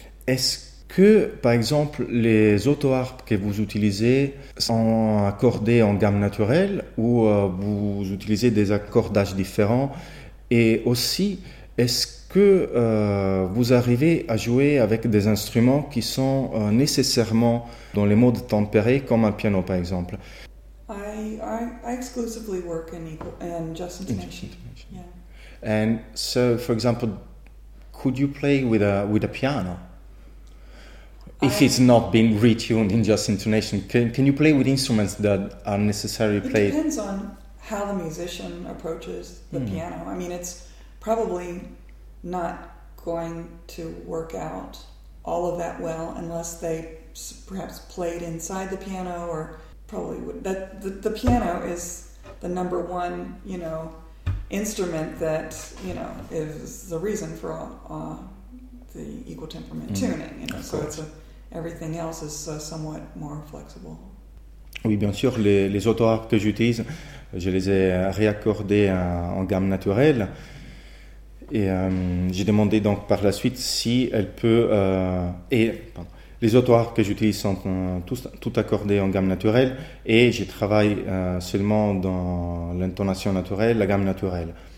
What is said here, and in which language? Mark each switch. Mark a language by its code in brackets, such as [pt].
[fr] Est-ce que, par exemple, les auto-harpes que vous utilisez sont accordées en gamme naturelle ou vous utilisez des accordages différents? Et aussi, est-ce que vous arrivez à jouer avec des instruments qui sont nécessairement dans les modes tempérés, comme un piano, par exemple? [en] I exclusively work in just intonation. Yeah. And so, for example, could you play with a piano? If it's not been retuned in just intonation, can you play with instruments that are necessarily played? It depends on how the musician approaches the piano. I mean, it's probably not going to work out all of that well unless they perhaps played inside the piano, or probably would. That the piano is the number one, you know, instrument that, you know, is the reason for the equal temperament tuning. You know, so it's a everything else is somewhat more flexible. [fr] Oui, bien sûr, les auto-harpes que j'utilise, je les ai réaccordées en gamme naturelle. Et j'ai demandé donc par la suite si elle peut... les auto-harpes que j'utilise sont tout accordées en gamme naturelle et je travaille seulement dans l'intonation naturelle, la gamme naturelle.